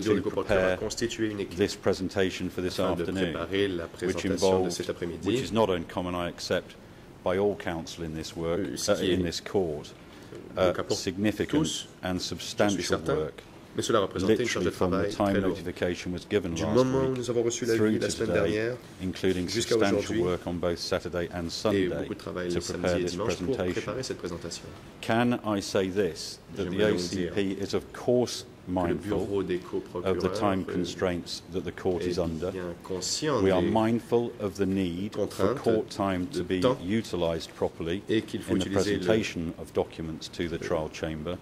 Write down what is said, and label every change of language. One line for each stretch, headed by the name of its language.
English: to prepare this presentation for this afternoon, which involves, which is not uncommon, I accept, by all counsel in this work, in this court, significant and substantial work.
French: Mais cela représentait une charge de travail très lourde. Du moment où nous avons reçu l'avis la semaine dernière jusqu'à aujourd'hui, et beaucoup de travail le samedi et dimanche pour préparer cette présentation.
English: Can I say this, that the OCP is of course mindful of the time constraints that the court is under. We are mindful of the need for court time to be utilised properly in the presentation of documents to the trial chamber.